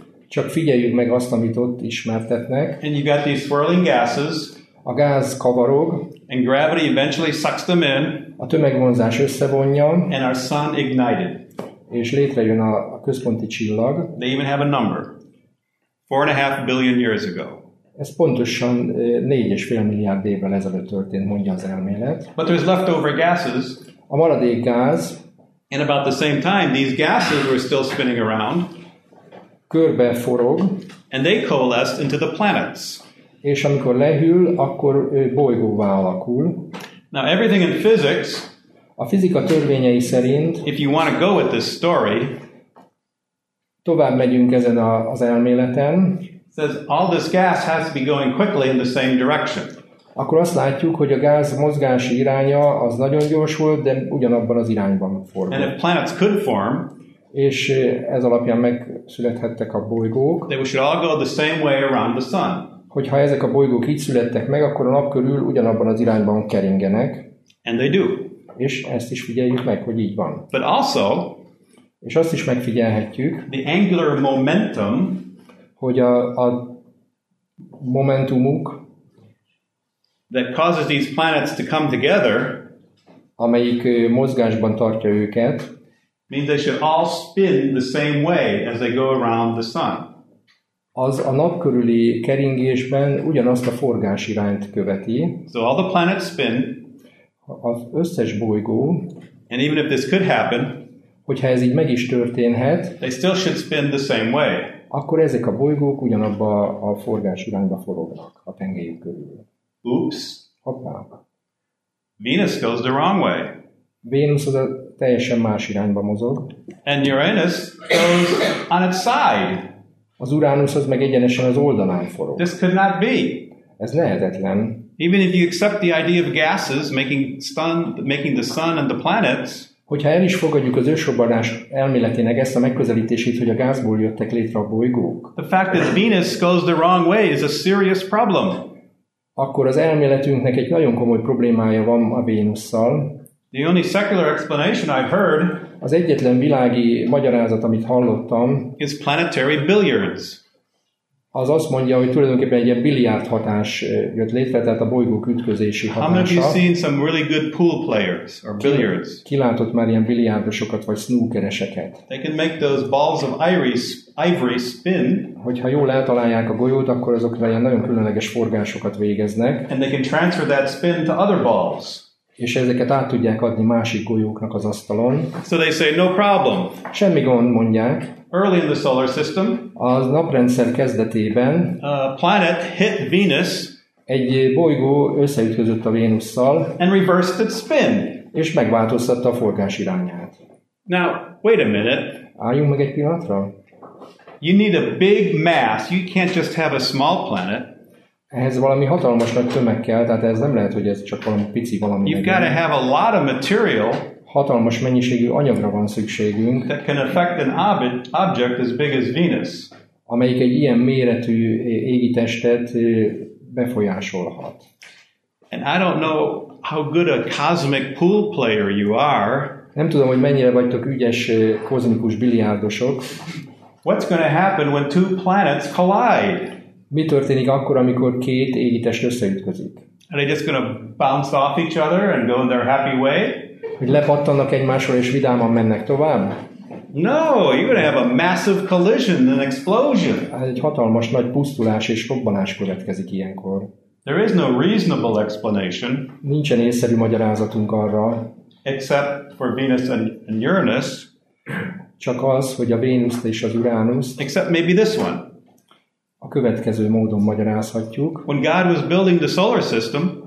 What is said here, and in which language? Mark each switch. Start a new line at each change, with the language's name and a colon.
Hungarian: Csak figyeljük meg azt, amit ott ismertetnek.
English: And you got these swirling gases.
Hungarian: A gáz kavarog.
English: And gravity eventually sucks them in.
Hungarian: A tömegvonzás összevonja.
English: And our sun ignited.
Hungarian: És létrejön a központi csillag.
English: They even have a number. 4.5 billion years ago.
Hungarian: Ez pontosan 4.5 milliárd évvel ezelőtt történt, mondja az elmélet.
English: But there's leftover gases.
Hungarian: A maradék gáz.
English: And about the same time, these gases were still spinning around.
Hungarian: Körbe forog.
English: And they coalesced into the planets.
Hungarian: És amikor lehűl, akkor bolygóvá alakul.
English: Now everything in physics,
Hungarian: a fizika törvényei szerint,
English: if you want to go with this story,
Hungarian: tovább megyünk ezen az elméleten,
English: says all this gas has to be going quickly in the same direction.
Hungarian: Akkor azt látjuk, hogy a gáz mozgási iránya az nagyon gyors volt, de ugyanabban az irányban forgott.
English: And if planets could form,
Hungarian: és ez alapján megszülethettek a bolygók,
English: they should all go the same way around the sun.
Hungarian: Hogyha ezek a bolygók így születtek meg, akkor a nap körül ugyanabban az irányban keringenek.
English: And they do.
Hungarian: És ezt is figyeljük meg, hogy így van.
English: But also,
Hungarian: és azt is megfigyelhetjük,
English: the angular momentum,
Hungarian: hogy a momentumuk,
English: that causes these planets to come together,
Hungarian: amelyik mozgásban tartja őket,
English: means they should all spin the same way as they go around the sun.
Hungarian: Az a nap körüli keringésben ugyanazt a forgásirányt követi.
English: So all the planets spin.
Hungarian: Az összes bolygó.
English: And even if this could happen,
Hungarian: hogyha ez így meg is történhet,
English: they still should spin the same way.
Hungarian: Akkor ezek a bolygók ugyanabba a forgásirányba forognak a tengelyük körül.
English: Oops.
Hungarian: Hoppá.
English: Venus goes the wrong way.
Hungarian: Venus az a teljesen más irányba mozog.
English: And Uranus goes on its side.
Hungarian: Az Uranus az meg egyenesen az oldalán forog.
English: This could not be.
Hungarian: Ez lehetetlen.
English: Even if you accept the idea of gases making the sun and the planets,
Hungarian: hogyha el is fogadjuk az ősrobbanás elméletének ezt a megközelítését, hogy a gázból jöttek létre a bolygók,
English: the fact that Venus goes the wrong way is a serious problem.
Hungarian: Akkor az elméletünknek egy nagyon komoly problémája van a Vénusszal.
English: The only secular explanation I've heard,
Hungarian: az egyetlen világi magyarázat, amit hallottam,
English: is planetary billiards.
Hungarian: Az azt mondja, hogy tulajdonképpen egy ilyen billiárd hatás jött létre, tehát a bolygók ütközési hatása.
English: How many of you seen some really good pool players or billiards?
Hungarian: Kilátott már ilyen billiárdosokat vagy snookereseket?
English: They can make those balls of ivory spin.
Hungarian: Hogyha jól eltalálják a golyót, akkor azok ilyen nagyon különleges forgásokat végeznek.
English: And they can transfer that spin to other balls.
Hungarian: És ezeket át tudják adni másik golyóknak az asztalon.
English: So they say, no problem.
Hungarian: Semmi gond, mondják.
English: Early in the solar system,
Hungarian: a naprendszer kezdetében
English: a planet hit Venus,
Hungarian: egy bolygó összeütközött a Vénusszal,
English: and reversed its spin.
Hungarian: És megváltoztatta a forgás irányát.
English: Now, wait a minute.
Hungarian: Álljunk meg egy pillanatra.
English: You need a big mass. You can't just have a small planet.
Hungarian: Ehhez valami hatalmas nagy tömeg kell, tehát ez nem lehet, hogy ez csak valami pici valami.
English: You've got to have a lot of material.
Hungarian: Hatalmas mennyiségű anyagra van szükségünk.
English: That can affect an object as big as Venus.
Hungarian: amelyik egy ilyen méretű égi testet befolyásolhat.
English: And I don't know how good a cosmic pool player you are.
Hungarian: Nem tudom, hogy mennyire vagytok ügyes kozmikus biliárdosok.
English: What's going to happen when two planets collide?
Hungarian: Mi történik akkor, amikor két égi test összeütközik?
English: Are they just going to bounce off each other and go in their happy way?
Hungarian: Hogy lepattannak egymásról és vidáman mennek tovább?
English: No, you're going to have a massive collision, an explosion.
Hungarian: Egy hatalmas nagy pusztulás és robbanás következik ilyenkor.
English: There is no reasonable explanation.
Hungarian: Nincsen észszerű magyarázatunk arra.
English: Except for Venus and Uranus.
Hungarian: Csak az, hogy a Vénusz és az Uranus.
English: Except maybe this one.
Hungarian: A következő módon magyarázhatjuk.
English: When God was building the solar system,